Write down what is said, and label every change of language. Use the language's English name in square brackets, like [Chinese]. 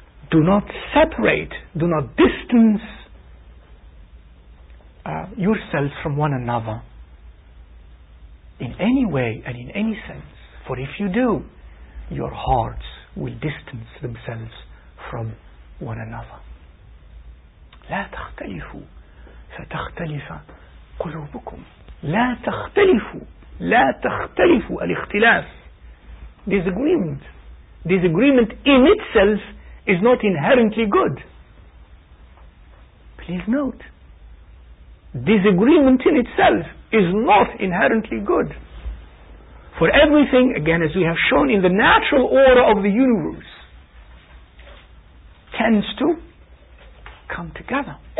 [English] do not separate, do not distance yourselves from one another in any way and in any sense. For if you do, your hearts will distance themselves from one another. [Arabic] لا تختلفوا فتختلف قلوبكم. لا تختلفوا, لا تختلفوا, الاختلاف, [English] disagreement. Disagreement in itself is not inherently good. Please note, disagreement in itself is not inherently good. For everything, again, as we have shown in the natural order of the universe, tends to come together.